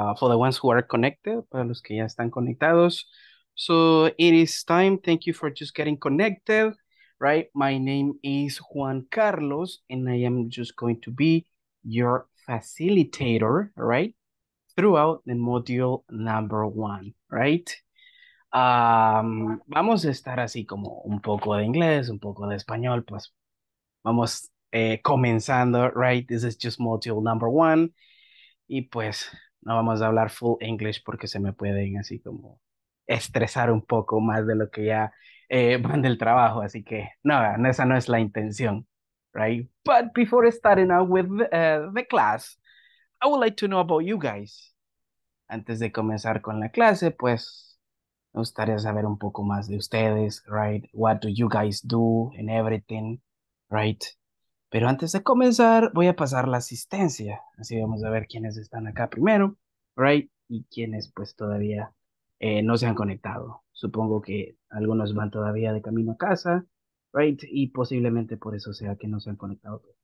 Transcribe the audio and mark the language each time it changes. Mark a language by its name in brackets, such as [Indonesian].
[English] For the ones who are connected, [Spanish] para los que ya están conectados. [English] So, it is time. Thank you for just getting connected. Right. My name is Juan Carlos, and I am just going to be your facilitator, right? Throughout the module number one, right? [Spanish] Vamos a estar así como un poco de inglés, un poco de español, pues vamos. Comenzando, right? [English] This is just module number one. [Spanish] Y pues no vamos a hablar full English porque se me pueden así como estresar un poco más de lo que ya van del trabajo. Así que no, esa no es la intención, right? [English] But before starting out with the class, I would like to know about you guys. [Spanish] Antes de comenzar con la clase, pues me gustaría saber un poco más de ustedes, right? [English] What do you guys do and everything, right? [Spanish] Pero antes de comenzar, voy a pasar la asistencia. Así vamos a ver quiénes están acá primero, right? Y quiénes pues todavía no se han conectado. Supongo que algunos van todavía de camino a casa, right? Y posiblemente por eso sea que no se han conectado.